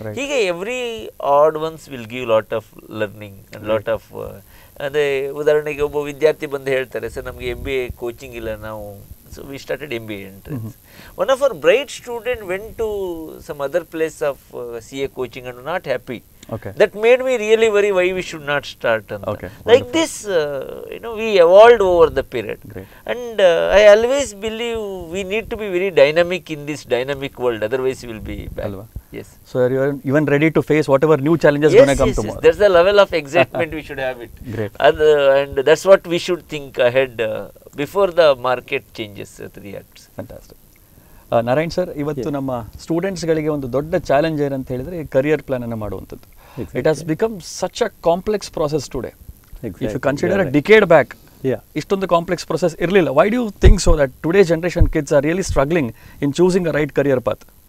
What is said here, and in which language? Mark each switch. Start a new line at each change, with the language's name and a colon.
English: ಹೀಗೆ every odd ones will give lot of learning and lot of.
Kannada: ಅದೇ ಉದಾಹರಣೆಗೆ ಒಬ್ಬ ವಿದ್ಯಾರ್ಥಿ ಬಂದು ಹೇಳ್ತಾರೆ, ಸರ್ ನಮಗೆ ಎಂ ಬಿ ಎ ಕೋಚಿಂಗ್ ಇಲ್ಲ, ನಾವು
English: So we started M B A entrance. One of our bright student went to some other place of C A coaching and not happy. Okay, that made me really worry why we should not start and like this, you know, we evolved over the period. Great. And I always believe we need to be very dynamic in this dynamic world, otherwise we'll be bad. Yes, so are you even ready to face whatever new challenges going to come tomorrow? Yes, there's a level of excitement. We should have it. Great. And that's what we should think ahead before the market changes reacts. Fantastic.
Kannada: Narayan sir, ಇವತ್ತು ನಮ್ಮ ಸ್ಟೂಡೆಂಟ್ಸ್ಗಳಿಗೆ ಒಂದು ದೊಡ್ಡ challenge ಏನಂತ ಹೇಳಿದರೆ career ಪ್ಲಾನನ್ನು ಮಾಡುವಂಥದ್ದು.
English: It has become such a complex process today. If you consider a decade back,
Kannada: ಇಷ್ಟೊಂದು complex process ಇರಲಿಲ್ಲ.
English: Why do think so that today generation kids are really struggling in choosing a right career path?